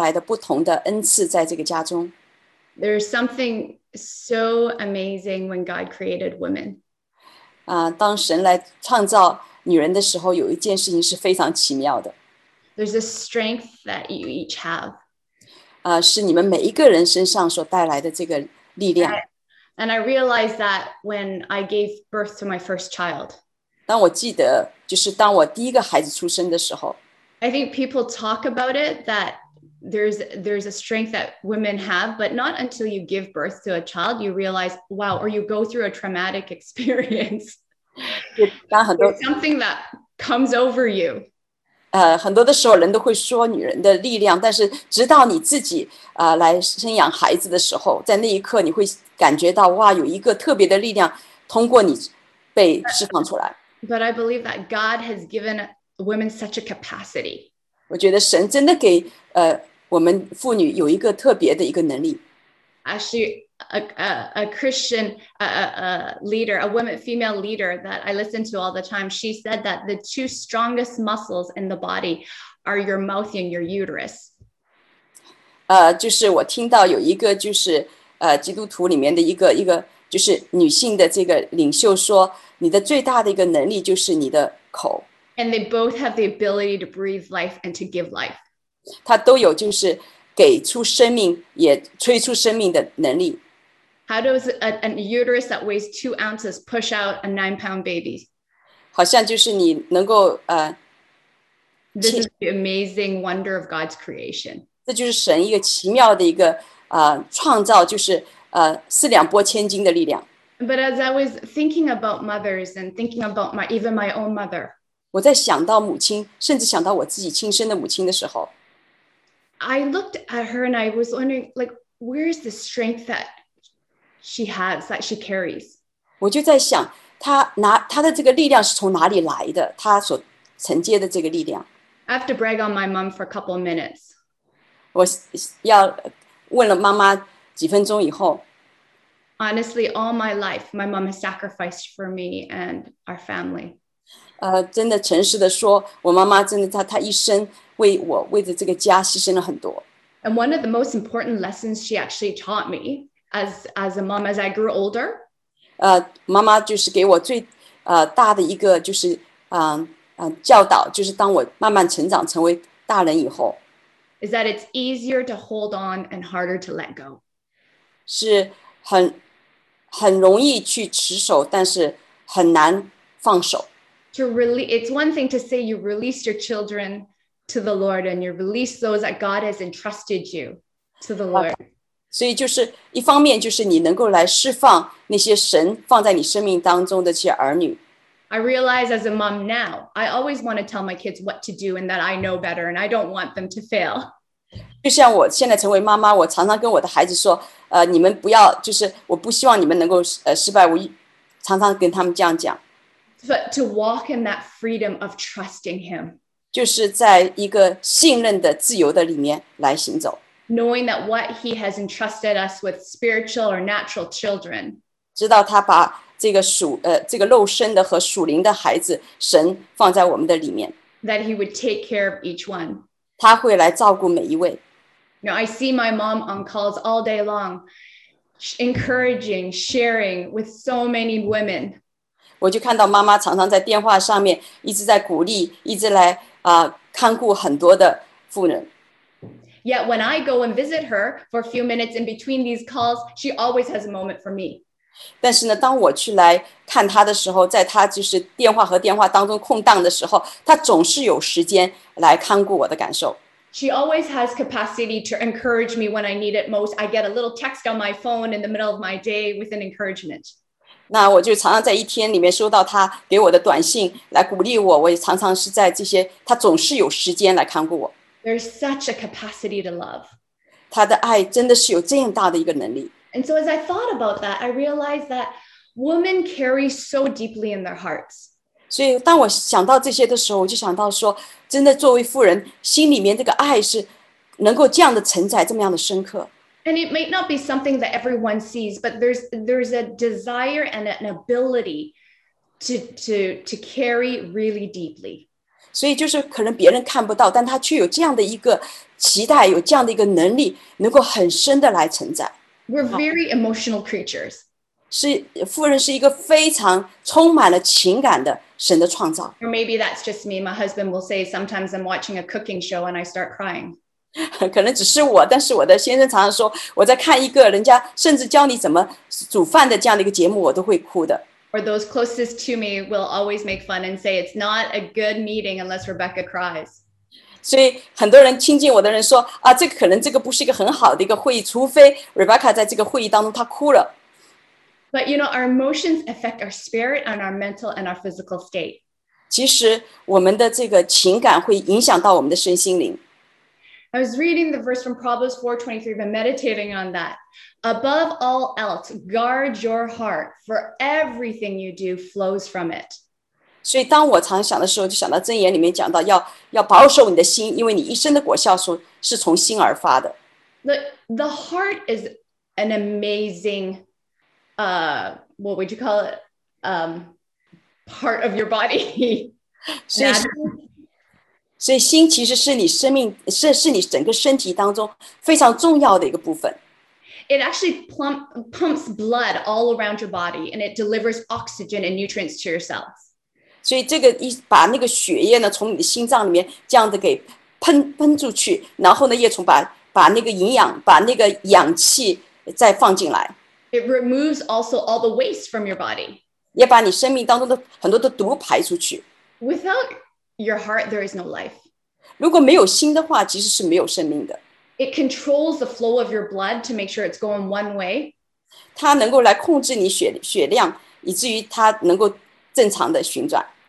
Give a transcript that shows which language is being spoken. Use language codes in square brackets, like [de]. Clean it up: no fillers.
[zh] 所以我就是非常的感恩你们带来的不同的恩赐在这个家中。 [en] There is something so amazing when God created women. [zh] 当神来创造女人的时候，有一件事情是非常奇妙的。 [en] There's a strength that you each have. [zh] 是你们每一个人身上所带来的这个力量。 [en] And I realized that when I gave birth to my first child. [zh] 当我记得，就是当我第一个孩子出生的时候。 [en] I think people talk about it that there's a strength that women have, but not until you give birth to a child, you realize, wow, or you go through a traumatic experience. Something that comes over you. [zh] 很多的时候人都会说女人的力量，但是直到你自己来生养孩子的时候，在那一刻你会感觉到哇，有一个特别的力量通过你被释放出来。 [en] But I believe that God has given women such a capacity. [zh] 我觉得神真的给我们妇女有一个特别的一个能力。 [en] Actually, a Christian, a leader, a woman, female leader that I listen to all the time, she said that the two strongest muscles in the body are your mouth and your uterus. [zh] 就是我听到有一个就是基督徒里面的一个就是女性的这个领袖说，你的最大的一个能力就是你的口。 [en] And they both have the ability to breathe life and to give life. [zh] 她都有就是给出生命，也吹出生命的能力。 [en] How does a uterus that weighs 2 ounces push out a 9-pound baby? [zh] 好像就是你能够 [en] This is the amazing wonder of God's creation. [zh] 这就是神一个奇妙的一个创造，就是四两拨千斤的力量。 [en] But as I was thinking about mothers and thinking about even my own mother, [zh] 我在想到母亲，甚至想到我自己亲生的母亲的时候。 [en] I looked at her and I was wondering, like, where is the strength that she has, that she carries? [zh] 我就在想，她的这个力量是从哪里来的，她所承接的这个力量。 [en] I have to brag on my mom for a couple of minutes. [zh] 我要问了妈妈几分钟以后。 [en] Honestly, all my life, my mom has sacrificed for me and our family. [zh] 真的诚实的说，我妈妈真的她一生为我为着这个家牺牲了很多。 [en] And one of the most important lessons she actually taught me as a mom as I grew older. [zh] 妈妈就是给我最大的一个就是教导，就是当我慢慢成长成为大人以后。 [en] Is that it's easier to hold on and harder to let go. [zh] 是很容易去持守，但是很难放手。 [en] It's one thing to say you release your children to the Lord and you release those that God has entrusted you to the Lord. [zh] 所以就是一方面就是你能够来释放那些神放在你生命当中的这些儿女。 [en] I realize as a mom now, I always want to tell my kids what to do and that I know better and I don't want them to fail. [zh] 就像我现在成为妈妈，我常常跟我的孩子说，你们不要，就是我不希望你们能够失败，我常常跟他们这样讲。 [en] But to walk in that freedom of trusting him. [zh] 就是在一个信任的自由的里面来行走。 [en] Knowing that what he has entrusted us with spiritual or natural children. [zh] 知道他把这个这个肉身的和属灵的孩子，神放在我们的里面。 [en] That he would take care of each one. [zh] 他会来照顾每一位。 [en] Now I see my mom on calls all day long, encouraging, sharing with so many women. [zh] 我就看到妈妈常常在电话上面一直在鼓励，一直来看顾很多的妇人。 [en] Yet when I go and visit her for a few minutes in between these calls, she always has a moment for me. [zh] 但是呢，当我去来看她的时候，在她就是电话和电话当中空档的时候，她总是有时间来看顾我的感受。 [en] She always has capacity to encourage me when I need it most. I get a little text on my phone in the middle of my day with an encouragement. [zh] 那我就常常在一天里面收到她给我的短信来鼓励我，我也常常是在这些，她总是有时间来看顾我。 [en] There's such a capacity to love. [zh] 她的爱真的是有这样大的一个能力。 [en] And so as I thought about that, I realized that women carry so deeply in their hearts. [zh] 所以当我想到这些的时候，我就想到说，真的作为妇人，心里面这个爱是能够这样的承载，这么样的深刻。 [en] And it may not be something that everyone sees, but there's a desire and an ability to carry really deeply. [zh] 所以就是可能别人看不到，但他却有这样的一个期待，有这样的一个能力，能够很深的来承载。 [en] We're very emotional creatures. [zh] 是妇人是一个非常充满了情感的神的创造。 [en] Or maybe that's just me. My husband will say sometimes I'm watching a cooking show and I start crying. [zh] 可能只是我，但是我的先生常常说我在看一个人家甚至教你怎么煮饭的这样的一个节目，我都会哭的。 [en] Or those closest to me will always make fun and say it's not a good meeting unless Rebecca cries. [zh] 所以很多人亲近我的人说啊，这个可能这个不是一个很好的一个会议，除非 Rebecca 在这个会议当中她哭了。 [en] But you know, our emotions affect our spirit and our mental and our physical state. [zh] 其实我们的这个情感会影响到我们的身心灵。 [en] I was reading the verse from Proverbs 4:23, been meditating on that. Above all else, guard your heart, for everything you do flows from it. [zh] 所以当我常想的时候，就想到箴言里面讲到要保守你的心，因为你一生的果效是从心而发的。 [en] The heart is an amazing, what would you call it, part of your body. [zh] 所以心其实是你生命 是你整个身体当中非常重要的一个部分。 [en] It actually pumps blood all around your body, and it delivers oxygen and nutrients to yourself. [zh] 所以这个一把那个血液呢，从你的心脏里面这样子给喷出去，然后呢，也从把那个营养，把那个氧气再放进来。 [en] It removes also all the waste from your body. [zh] 也把你生命当中的很多的毒排出去。 [en] Without your heart, there is no life. [zh] 如果没有心的话，其实是没有生命的。 [en] It controls the flow of your blood to make sure it's going one way. [zh] 它能够来控制你血量，以至于它能够正常的旋转。